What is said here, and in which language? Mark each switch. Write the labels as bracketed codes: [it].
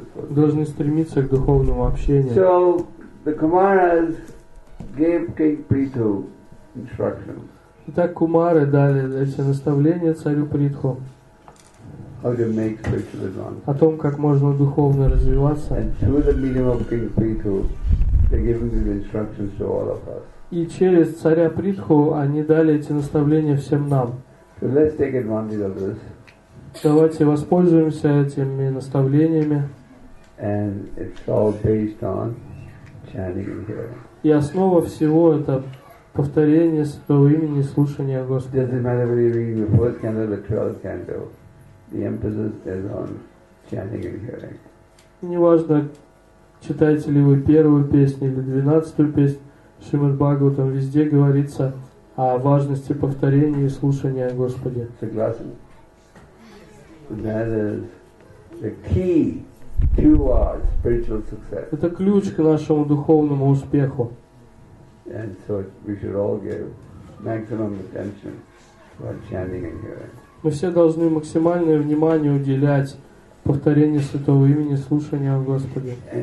[ru] Должны стремиться к духовному общению. [en] So the Kumaras gave King Prithu instructions. [ru] Итак, Кумары дали эти наставления царю Притху. [en] How to make spiritual advance. [ru] О том, как можно духовно развиваться. [en] And through the medium of King Prithu. They gave him these instructions to all of us. [ru] И через царя Притху они дали эти наставления всем нам. [en] So let's take advantage of this. [ru] Давайте воспользуемся этими наставлениями. [en] And it's all based on chanting and hearing. [ru] И основа всего это повторение Святого имени и слушание Господа. [en] It doesn't matter whether you're reading the first canto or the 12th canto. The emphasis is on chanting and hearing. [ru] Неважно, читаете ли вы первую песню или двенадцатую песню Шримад Бхагаватам, везде говорится о важности повторения и слушания о Господе. Согласен? [en] That is the key to our spiritual success. [ru] Это ключ к нашему духовному успеху. [en] And so we should all give maximum attention to our chanting and hearing. [ru] Мы все должны максимальное внимание уделять повторение Святого имени, слушание о Господе.